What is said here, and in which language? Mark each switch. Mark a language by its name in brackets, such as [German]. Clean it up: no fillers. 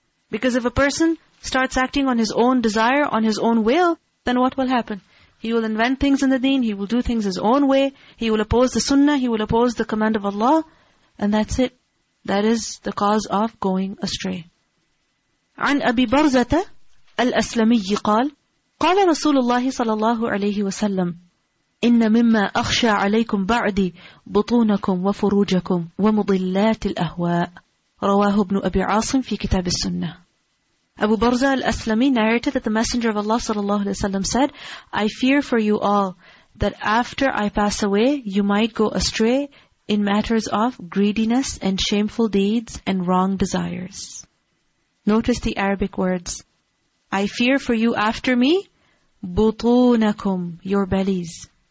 [English] Because if a person starts acting on his own desire, on his own will, then what will happen? He will invent things in the deen, he will do things his own way, he will oppose the sunnah, he will oppose the command of Allah, and that's it. That is the cause of going astray. [Arabic] عن أبي برزة الأسلمي قال قال رسول الله صلى الله عليه وسلم إِنَّ مِمَّا أَخْشَى عَلَيْكُمْ بَعْدِي بُطُونَكُمْ وَفُرُوجَكُمْ وَمُضِلَّاتِ الْأَهْوَاءِ رواه ابن أبي عاصم في كتاب السنة. [English] Abu Barza al-Aslami narrated that the Messenger of Allah sallallahu alayhi wa sallam said, I fear for you all that after I pass away, you might go astray in matters of greediness and shameful deeds and wrong desires. Notice the Arabic words. I fear for you after me, بُطُونَكُمْ, your bellies.